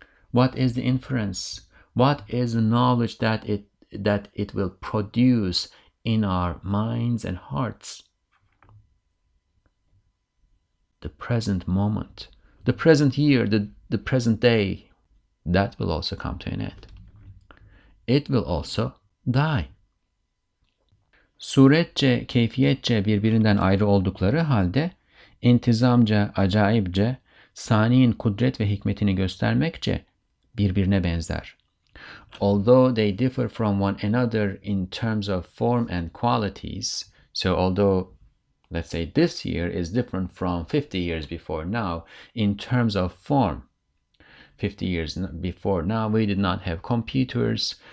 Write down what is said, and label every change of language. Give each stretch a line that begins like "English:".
English: What is the inference? What is the knowledge that it will produce in our minds and hearts? The present moment, the present year, the present day, that will also come to an end. It will also die.
Turkish: Suretçe, keyfiyetçe birbirinden ayrı oldukları halde, intizamca, acayipçe, saniyin kudret ve hikmetini göstermekçe birbirine benzer.
English: Although they differ from one another in terms of form and qualities, so although, let's say, this year is different from 50 years before now in terms of form. 50 years before now, we did not have computers.